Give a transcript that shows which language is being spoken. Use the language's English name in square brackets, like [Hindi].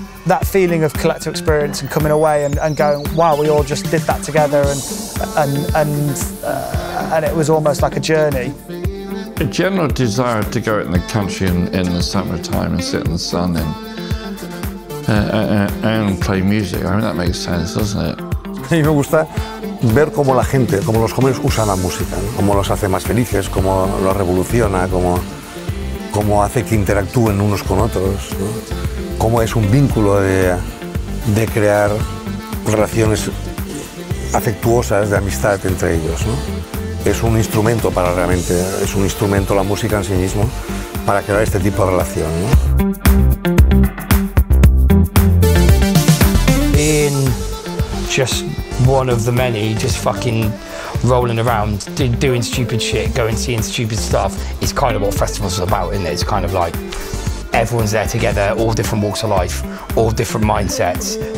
[English] That feeling of collective experience and coming away and going, wow, we all just did that together and it was almost like a journey. A general desire to go out in the country in the summertime and sit in the sun and play music. I mean, that makes sense, doesn't it? [Spanish] A mí me gusta ver cómo la gente, cómo los jóvenes usan la música, cómo los hace más felices, cómo los revoluciona, cómo hace que interactúen unos con otros, ¿no? Cómo es un vínculo de crear relaciones afectuosas, de amistad entre ellos, ¿no? Es un instrumento para realmente, es un instrumento la música en sí mismo para crear este tipo de relación, ¿no? [English] Being just one of the many, just fucking rolling around, doing stupid shit, going seeing stupid stuff, is kind of what festivals are about, isn't it? It's kind of like everyone's there together, all different walks of life, all different mindsets.